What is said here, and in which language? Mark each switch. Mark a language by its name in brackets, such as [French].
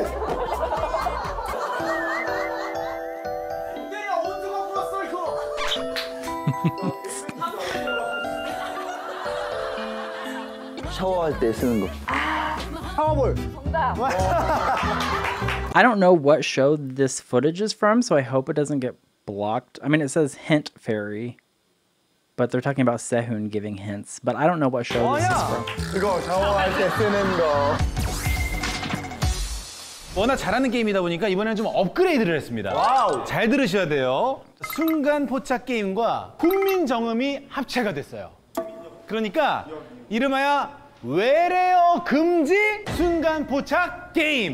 [Korean] 롯데리아 온수가 불었어, 이거! 샤워할 때 쓰는 거. 샤워볼! 정답! [English] I don't know what show this footage is from, so I hope it doesn't get blocked. I mean, it says Hint Fairy, but they're talking about Sehun giving hints. But I don't know what show this is from. [Korean] 이거 샤워할 때 쓰는 거. 워낙 잘하는 게임이다 보니까 이번에는 좀 업그레이드를 했습니다. 와우. 잘 들으셔야 돼요. 순간 포착 게임과 국민 정음이 합체가 됐어요. 그러니까 이름하여 외래어 금지 순간 포착 게임.